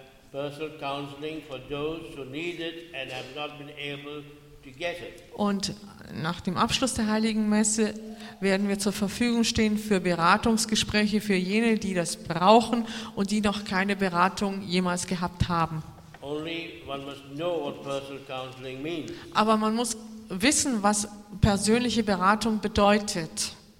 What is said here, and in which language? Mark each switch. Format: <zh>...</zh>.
<en>personal counseling for those who need it and have not been able to get it.</en> <de>Und nach dem Abschluss der Heiligen Messe werden wir zur Verfügung stehen für Beratungsgespräche für jene, die das brauchen und die noch keine Beratung jemals gehabt haben.</de> <en>Only one must know what personal counseling means.</en> <de>Aber man muss wissen, was persönliche Beratung bedeutet.</de>